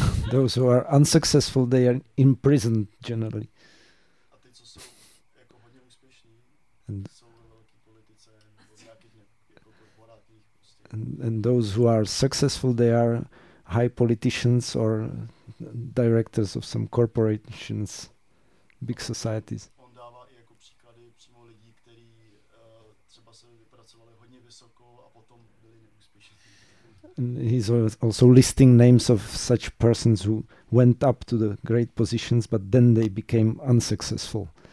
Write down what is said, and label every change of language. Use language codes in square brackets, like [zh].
[en] Those who are unsuccessful, they are imprisoned generally. [cs] A ty, co jsou jako hodně úspěšní, jsou velký politice nebo nějakých jako korporátních prostě. [en] And those who are successful, they are high politicians or directors of some corporations, big societies. [cs] On dává i jako příklady přímo lidí, kteří třeba se vypracovali hodně vysoko a potom byli neúspěšní. [en] And he's also listing names of such persons who went up to the great positions, but then they became unsuccessful.